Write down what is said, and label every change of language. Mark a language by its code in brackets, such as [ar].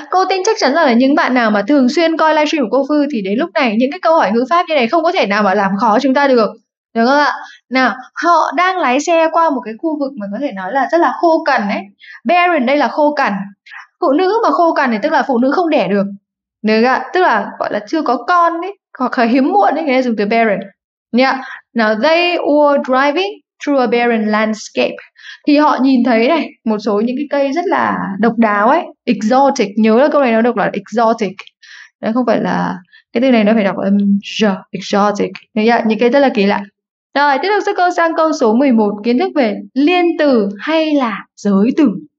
[vi] Cô tin chắc chắn là những bạn nào mà thường xuyên coi livestream của cô Phư thì đến lúc này những cái câu hỏi ngữ pháp như này không có thể nào mà làm khó chúng ta được. Đúng không ạ? Nào, họ đang lái xe qua một cái khu vực mà có thể nói là rất là khô cằn ấy. Barren đây là khô cằn. Phụ nữ mà khô cằn thì tức là phụ nữ không đẻ được. Đúng ạ? Tức là gọi là chưa có con ấy, hoặc là hiếm muộn ấy, người ta dùng từ barren. [en] Yeah. Now they were driving through a barren landscape. [vi] Thì họ nhìn thấy này, một số những cái cây rất là độc đáo ấy, exotic. Nhớ là câu này nó đọc là exotic. Nó không phải là cái từ này nó phải đọc âm j, exotic. Đấy ạ, những cái rất là kỳ lạ. Rồi, tiếp tục sẽ câu sang câu số 11, kiến thức về liên từ hay là giới từ.